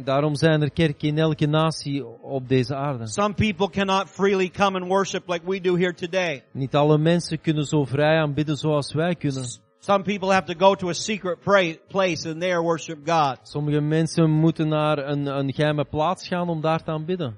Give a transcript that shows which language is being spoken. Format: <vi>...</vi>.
<nl>Daarom zijn er kerken in elke natie op deze aarde.</nl> <en>Some people cannot freely come and worship like we do here today.</en> <nl>Niet alle mensen kunnen zo vrij aanbidden zoals wij kunnen.</nl> <en>Some people have to go to a secret place and there worship God.</en> <nl>Sommige mensen moeten naar een geheime plaats gaan om daar te aanbidden.</nl>